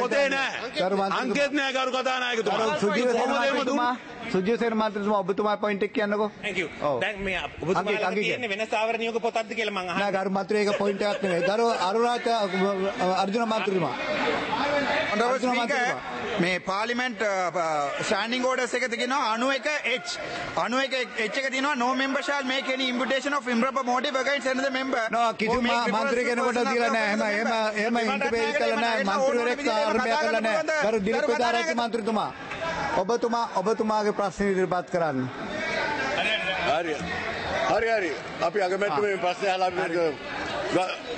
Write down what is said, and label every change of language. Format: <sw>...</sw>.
<si>පොතේ නැහැ ගරු මන්ත්‍රීතුමා අංකෙත් නැහැ ගරු කතානායකතුමා සුජිත් මන්ත්‍රීතුමා ඔබතුමා පොයින්ට් එක කියන්නකෝ ගරු මන්ත්‍රී එක පොයින්ට් එකක් නෙමෙයි ගරු අරුරාජ අර්ජුන මන්ත්‍රීතුමා මේ</si> <en>parliament standing orders</en> <si>එක තියෙනවා 91H 91H එක තියෙනවා</si> <en>no member shall make any imputation of improper motive against another member</en> <si>no කිසිම මන්ත්‍රී කෙනෙකුට දීලා නැහැ එහෙම එහෙම එහෙම ඉන්ටර්වයු කළා නැහැ මන්ත්‍රීවරයෙක් ආරම්භය කළා නැහැ ගරු දිලිප් විදාරච්චි මන්ත්‍රීතුමා ඔබතුමා ඔබතුමාගේ ප්‍රශ්න ඉදිරිපත් කරන්න හරි හරි හරි අපි අගමැතිතුමේ ප්‍රශ්න අහලා අපි</si>